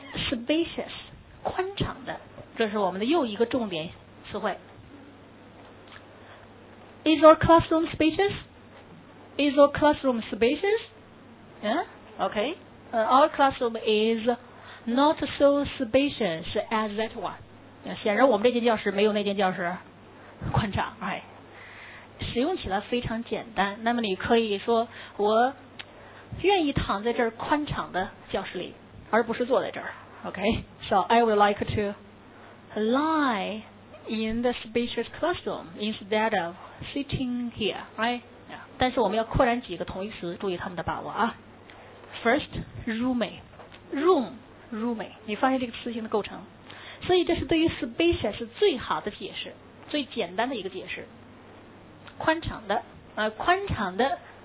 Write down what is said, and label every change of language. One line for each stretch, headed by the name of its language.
Chinese: Spacious, 宽敞的，这是我们的又一个重点词汇。
English: Is your classroom spacious? Is your classroom spacious? Yeah, okay. Our classroom is not so spacious as that one.
Chinese: Yeah, 显然我们这间教室没有那间教室宽敞， right? 使用起来非常简单，那么你可以说我愿意躺在这儿宽敞的教室里，而不是坐在这儿。
English: OK， so I would like to lie in the spacious classroom instead of sitting here, right? Yeah.
Chinese: 但是我们要扩展几个同义词，注意他们的把握啊。
English: First, roommate, room, roommate，
Chinese: 你发现这个词性的构成，所以这是对于 spacious 最好的解释，最简单的一个解释，宽敞的，宽敞的。